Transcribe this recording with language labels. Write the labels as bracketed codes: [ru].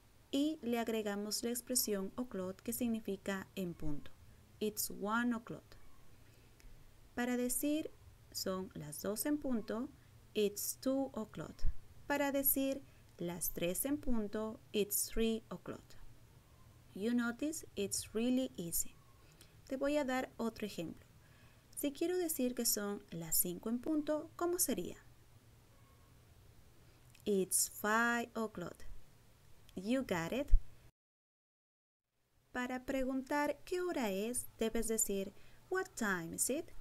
[es] Y le agregamos la expresión o'clock, que significa en punto. [en] It's 1 o'clock. [es] Para decir son las 2 en punto, [en] it's 2 o'clock. [es] Para decir las 3 en punto, [en] it's 3 o'clock. You notice it's really easy. [es] Te voy a dar otro ejemplo. Si quiero decir que son las 5 en punto, ¿cómo sería? [en] It's 5 o'clock. You got it. [es] Para preguntar qué hora es, debes decir [en] What time is it?